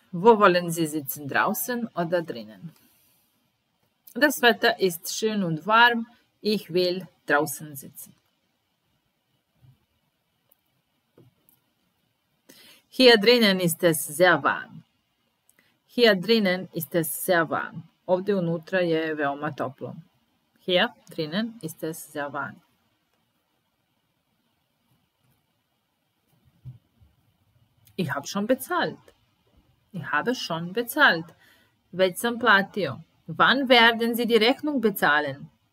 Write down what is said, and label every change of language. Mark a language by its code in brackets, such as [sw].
[de] Wo wollen Sie sitzen, draußen oder drinnen? Das Wetter ist schön und warm. Ich will draußen sitzen. Hier drinnen ist es sehr warm. Hier drinnen ist es sehr warm. [sr] Ovde unutra je veoma toplo. [de] Hier drinnen ist es sehr warm. Ich habe schon bezahlt. Ich habe schon bezahlt. Welchen Platio? Wann werden Sie die Rechnung bezahlen?